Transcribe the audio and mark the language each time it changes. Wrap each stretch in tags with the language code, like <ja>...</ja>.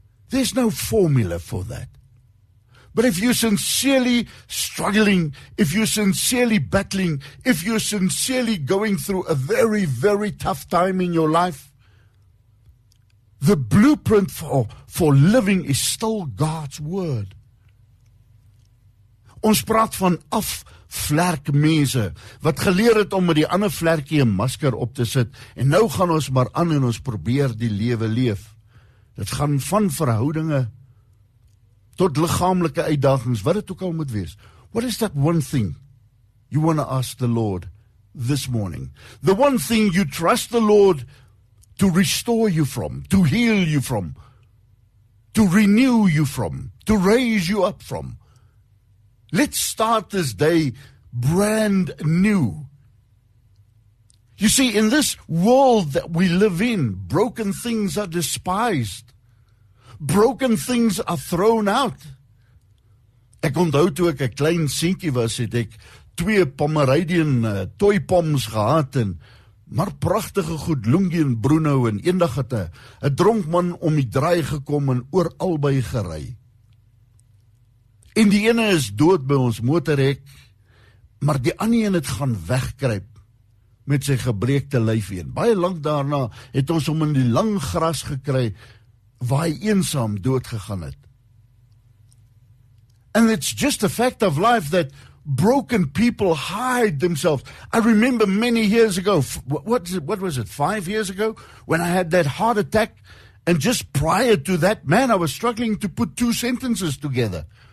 <en>There's no formula for that. But if you're sincerely struggling, if you're sincerely battling, if you're sincerely going through a very, very tough time in your life, the blueprint for living is still God's word.</en> <af>Ons praat van afvlerkmense, wat geleer het om met die ander vlerkie een masker op te sit, en nou gaan ons maar aan en ons probeer die lewe leef. Dit gaan van verhoudinge tot lichamelike uitdagings, wat het ook al moet wees.</af> <en>What is that one thing you want to ask the Lord this morning? The one thing you trust the Lord to restore you from, to heal you from, to renew you from, to raise you up from. Let's start this day brand new. You see, in this world that we live in, broken things are despised. Broken things are thrown out.</en> <af>Ek onthou toe ek 'n klein seentjie was, het ek twee Pomeranian toy poms gehad, en maar pragtige goed, Lungie en Bruno, en eendag het 'n dronk man om die draai gekom en oor albei gery. En die ene is dood by ons motorhek, maar die ander een het gaan wegkruip met sy gebreekte lyfie. Baie lank daarna het ons hom in die lang gras gekry waar hy eensaam dood gegaan het.</af> <en>And it's just a fact of life that broken people hide themselves. I remember many years ago, what was it, 5 years ago, when I had that heart attack, and just prior to that, man, I was struggling to put two sentences together.</en>